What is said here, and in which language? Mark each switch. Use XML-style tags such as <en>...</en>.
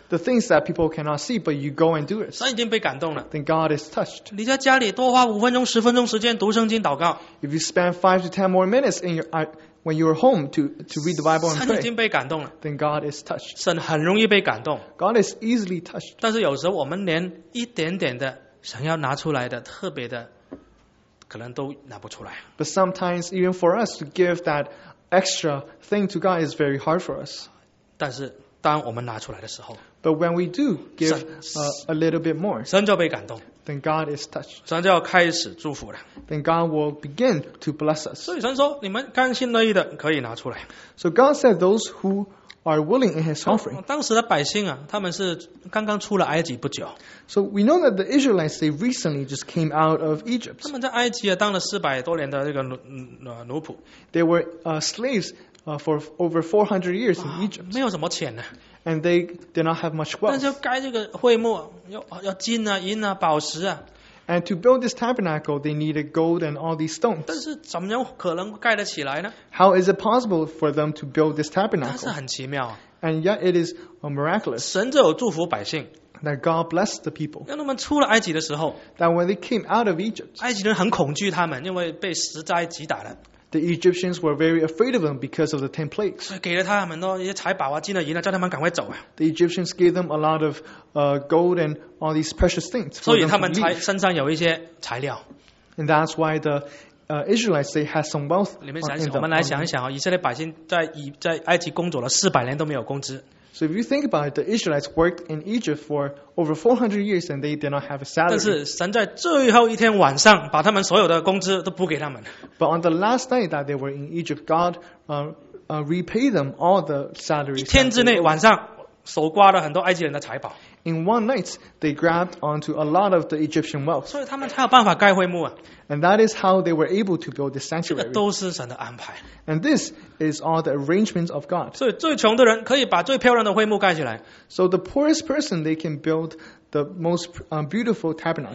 <en>the things that people cannot see, but you go and do it,</en> <zh>神已经被感动了,</zh> <en>then God is touched.</en> <zh>你在家里多花5分钟, 10分钟时间读圣经祷告,</zh> <en>if you spend 5 to 10 more minutes in your when you are home to read the Bible and pray, then God is touched.</en> <zh>神很容易被感动,</zh> <en>God is easily touched.</en> <zh>但是有时候我们连一点点的神要拿出来的特别的可能都拿不出来。</zh> <en>But sometimes even for us to give that extra thing to God is very hard for us.</en> <zh>但是当我们拿出来的时候,</zh> <en>but when we do give a little bit more,</en> <zh>神就被感动,</zh> <en>then God is touched.</en> <zh>神就要开始祝福了,</zh> <en>then God will begin to bless us.</en> <zh>所以神说, 你们甘心乐意的可以拿出来。</zh> <en>So God said those who are willing in his offering.</en> <zh>当时的百姓啊, 他们是刚刚出了埃及不久。</zh> <en>So we know that the Israelites, they recently just came out of Egypt.</en> <zh>他们在埃及啊, 当了400多年的这个奴仆。</zh> <en>They were slaves for over 400 years in Egypt.</en> <zh>没有什么钱呢。</zh> <en>And they did not have much wealth.</en> <zh>但是盖这个会幕, 要金啊银啊, 宝石啊,</zh> <en>and to build this tabernacle, they needed gold and all these stones.</en> <zh>但是怎么样可能盖得起来呢?</zh> <en>How is it possible for them to build this tabernacle?</en> <zh>但是很奇妙啊,</zh> <en>and yet it is miraculous.</en> <zh>神就有祝福百姓,</zh> <en>that God blessed the people.</en> <zh>让他们出了埃及的时候,</zh> <en>that when they came out of Egypt,</en> <zh>埃及人很恐惧他们, 因为被十灾击打了。</zh> <en>The Egyptians were very afraid of them because of the 10 plagues.</en> <zh>给了他们多一些财宝啊, 金了银了, 叫他们赶快走啊。</zh> <en>The Egyptians gave them a lot of gold and all these precious things.</en> <zh>所以他们身上有一些材料。</zh> <en>And that's why the Israelites, they had some wealth.</en> <zh>你们想想，我们来想一想啊，以色列百姓在埃及工作了400年都没有工资。</zh> <en>So if you think about it, the Israelites worked in Egypt for over 400 years and they did not have a salary.</en> <zh>但是神在最后一天晚上把他们所有的工资都补给他们。</zh> <en>But on the last night that they were in Egypt, God repaid them all the salaries.</en> <zh>一天之内晚上手刮了很多埃及人的财宝。</zh> <en>In one night, they grabbed onto a lot of the Egyptian wealth.</en> <zh>所以他们才有办法盖会幕啊。</zh> <en>And that is how they were able to build the sanctuary.</en> <zh>这个都是神的安排。</zh> <en>And this is all the arrangements of God.</en> <zh>所以最穷的人可以把最漂亮的会幕盖起来。</zh> <en>So the poorest person, they can build the most beautiful tabernacle.</en>